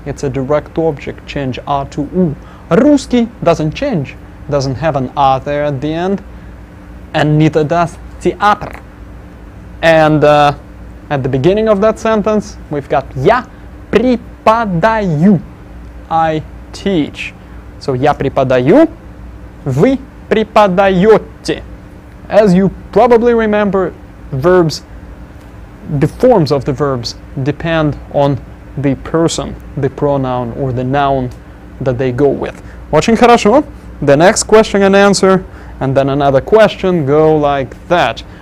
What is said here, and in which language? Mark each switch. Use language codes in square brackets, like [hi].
[en] It's a direct object, change A to U. Русский doesn't change, doesn't have an A there at the end, and neither does театр. And at the beginning of that sentence, we've got [ru] я преподаю, [en] I teach. So [ru] я преподаю, вы преподаете. [en] As you probably remember, verbs, the forms of the verbs depend on the person, the pronoun, or the noun that they go with. [ru] Очень хорошо. [en] The next question and answer, and then another question, go like that.